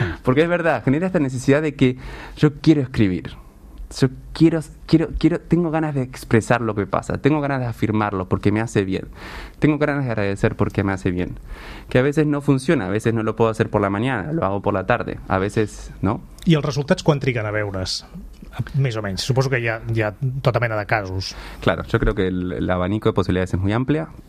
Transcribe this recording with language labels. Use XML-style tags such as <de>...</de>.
<es>Porque es verdad, genera esta necesidad de que yo quiero escribir. Yo quiero, tengo ganas de expresar lo que pasa, tengo ganas de afirmarlo porque me hace bien, tengo ganas de agradecer porque me hace bien. Que a veces no funciona, a veces no lo puedo hacer por la mañana, lo hago por la tarde, a veces no.</es> <ca>I els resultats quan triguen a veure's? Més o menys, suposo que hi ha tota mena de casos.</ca> <es>Claro, yo creo que el abanico de posibilidades es muy amplia.</es>